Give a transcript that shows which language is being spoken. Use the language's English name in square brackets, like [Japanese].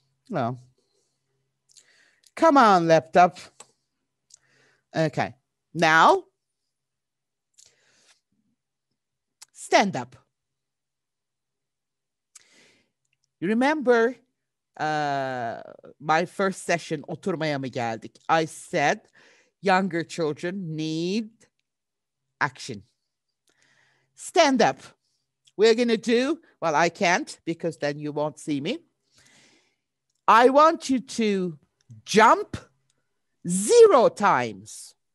[English] Well, come on, laptop. Okay, now, stand up. You remember my first session, [Turkish] oturmaya mı geldik? [English] I said, younger children need action. Stand up. We're going to do, well, I can't because then you won't see me. I want you to jump 0 times.